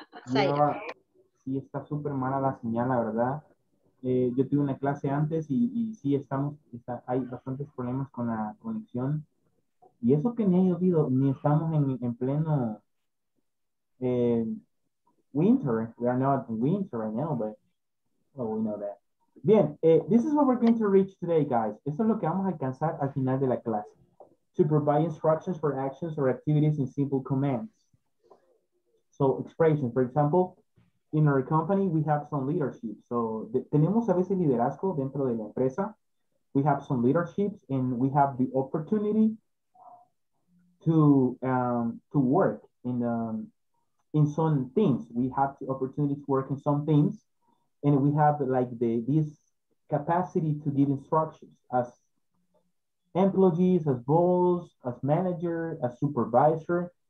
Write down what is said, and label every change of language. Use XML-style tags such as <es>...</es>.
<es>Zaire. Mira, sí, está súper mala la señal, la verdad. Yo tuve una clase antes y sí, hay bastantes problemas con la conexión. Y eso que ni ha llovido, ni estamos en pleno winter.</es> <en>We are not in winter right now, but we know that. Bien, this is what we're going to reach today, guys.</en> <es>Esto es lo que vamos a alcanzar al final de la clase.</es> <en>To provide instructions for actions or activities in simple commands. So, expression. For example, in our company, we have some leadership.</en> <es>So, tenemos a veces liderazgo dentro de la empresa.</es> <en>We have some leadership and we have the opportunity to work in some things. We have the opportunity to work in some things. And we have like this capacity to give instructions as employees, as boss, as manager, as supervisor.</en>